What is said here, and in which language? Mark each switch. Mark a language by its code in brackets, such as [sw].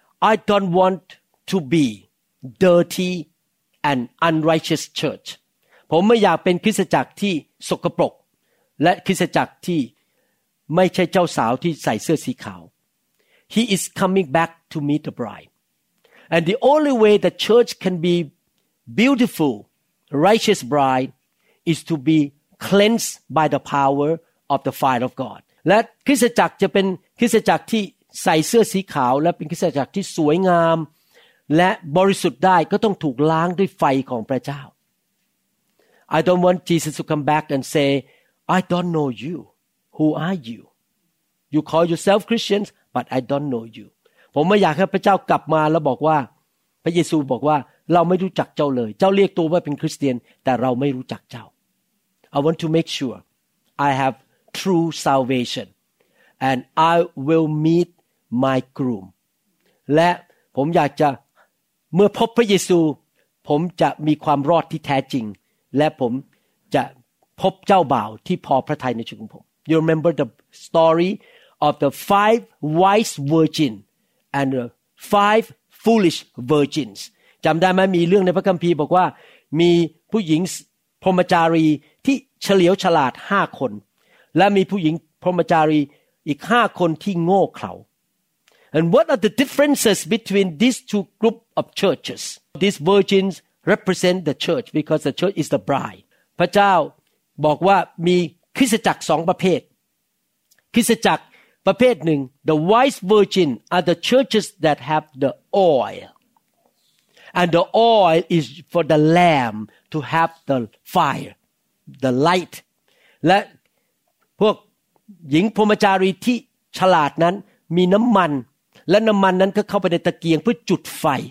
[en] I don't want to be dirty and unrighteous church [th] ผมไม่อยากเป็นคริสตจักรที่สกปรกและคริสตจักรที่ไม่ใช่เจ้าสาวที่ใส่เสื้อสีขาว [en] He is coming back to meet the brideAnd the only way the church can be beautiful, righteous bride is to be cleansed by the power of the fire of God. [th] และคริสตจักรจะเป็นคริสตจักรที่ใส่เสื้อสีขาวและเป็นคริสตจักรที่สวยงามและบริสุทธิ์ได้ก็ต้องถูกล้างด้วยไฟของพระเจ้า [en] I don't want Jesus to come back and say, I don't know you. Who are you? You call yourself Christians, but I don't know you. [th] ผมไม่อยากให้พระเจ้ากลับมาแล้วบอกว่าพระเยซูบอกว่าเราไม่รู้จักเจ้าเลยเจ้าเรียกตัวว่าเป็นคริสเตียนแต่เราไม่รู้จักเจ้า [en] I want to make sure I have true salvation and I will meet my groom [th] และผมอยากจะเมื่อพบพระเยซูผมจะมีความรอดที่แท้จริงและผมจะพบเจ้าบ่าวที่พอพระทัยในชีวิตของผม [en] You remember the story of the five wise virgins and the five foolish virgins. [th] จำได้ไหมมีเรื่องในพระคัมภีร์บอกว่ามีผู้หญิงพรหมจารีที่เฉลียวฉลาด5คนและมีผู้หญิงพรหมจารีอีก5คนที่โง่เขลา [en] And what are the differences between these two group of churches? These virgins represent the church because the church is the bride. [th] พระเจ้าบอกว่ามีคริสตจักร2ประเภทคริสตจักรประเภทหนึ่ง [en] the wise virgin are the churches that have the oil and the oil is for the lamb to have the fire the light [th] และพวกหญิงพรหมจารีที่ฉลาดนั้นมีน้ำมันและน้ำมันนั้นก็เข้าไปในตะเกียงเพื่อจุดไฟ